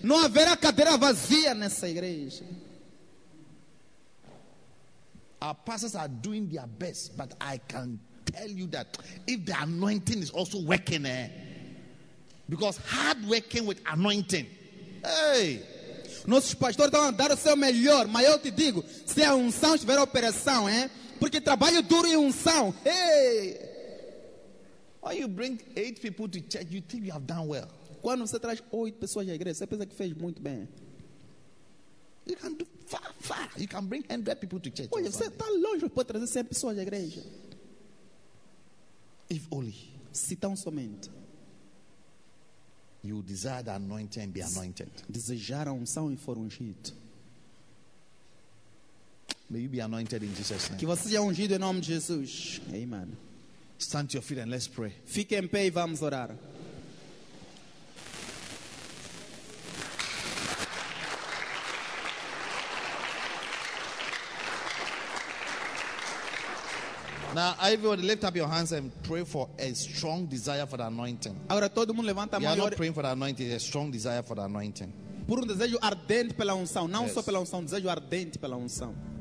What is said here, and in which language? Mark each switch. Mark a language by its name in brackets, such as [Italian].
[Portuguese] Não haverá cadeira vazia nessa igreja. [English] Our pastors are doing their best, but I can tell you that if the anointing is also working, because hard working with anointing. Hey. [Portuguese] Nossos pastores estão a dar o seu melhor, mas eu te digo, se a unção tiver a operação, hein? Porque trabalho duro e unção. [English] Hey. When you bring 8 people to church, you think you have done well. [Portuguese] Quando você traz 8 pessoas à igreja, você pensa que fez muito bem. [English] You can do far, far. You can bring 100 people to church. [Portuguese] Olha, você está longe para trazer 100 pessoas à igreja. [English] If only. [Portuguese] Se tão somente. [English] You desire the anointing and be anointed. [Portuguese] Desejaram unção e foram ungidos. [English] May you be anointed in Jesus' name. [Portuguese] Que você seja ungido em nome de Jesus. [English] Amen. Stand to your feet and let's pray. [Portuguese] Fique em pé e vamos orar. [English] Now, everybody, lift up your hands and pray for a strong desire for the anointing. [Portuguese] Agora, todo mundo levanta a mão. [English] You are not praying for the anointing, a strong desire for the anointing. [Portuguese] Por desejo ardente pela unção, não só pela unção, desejo ardente pela unção.